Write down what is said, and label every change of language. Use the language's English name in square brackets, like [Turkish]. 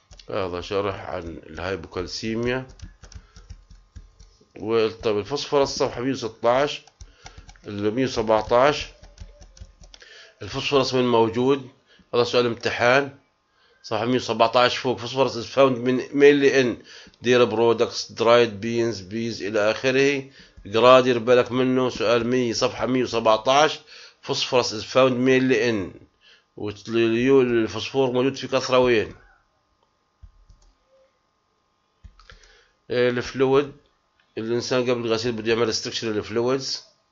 [Arabic] هذا شرح عن الهايبوكالسيميا. طب الفوسفورس صفحة 116 ل 117، الفوسفورس وين موجود؟ هذا سؤال امتحان، صفحة 117 فوق. [English] phosphorus is found mainly in dairy products, dried beans, peas [Arabic] إلى آخره. اقرأ دير بالك منه، سؤال 100 صفحة 117. فوسفورس [English] is found mainly in، [Arabic] الفوسفور موجود في كثرة وين؟ الفلويد، الإنسان قبل الغسيل بده يعمل استكشر للفلويدز.